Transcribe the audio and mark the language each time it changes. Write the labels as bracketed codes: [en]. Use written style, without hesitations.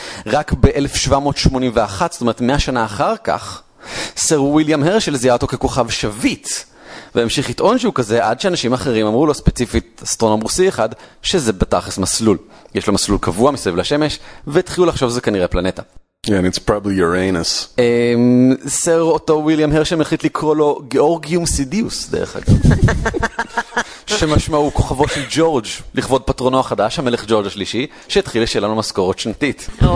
[he] רק ב-1781, זאת אומרת 100 שנה אחר כך, סר וויליאם הרשל זיהה אותו ככוכב שביט, והמשיך לטעון שהוא כזה, עד שאנשים אחרים אמרו לו ספציפית אסטרונום רוסי אחד, שזה בתכלס מסלול. יש לו מסלול קבוע מסביב לשמש, והתחילו לחשוב שזה כנראה פלנטה. [en] Yeah, and it's probably Uranus. [he] סר אותו וויליאם הרשל החליט לקרוא לו גיאורגיום סידיוס, דרך אגב. שמשמע הוא כוכבו של ג'ורג' לכבוד פטרונו החדש, המלך ג'ורג' השלישי, שהתחיל לשאלה לו משכורות שנתית.